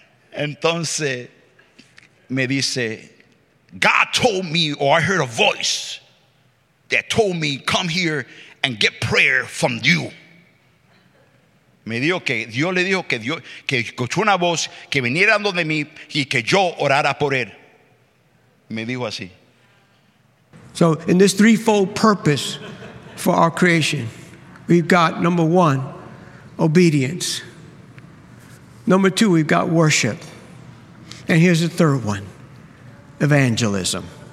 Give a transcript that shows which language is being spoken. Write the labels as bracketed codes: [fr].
[es] Entonces me dice: [en] God told me, or I heard a voice that told me, come here and get prayer from you. [es] Me dijo que Dios le dijo que Dios que escuchó una voz que viniera donde mí y que yo orara por él. Me dijo así. [en] So in this threefold purpose for our creation, we've got number one, obedience. Number two, we've got worship. And here's the third one, evangelism.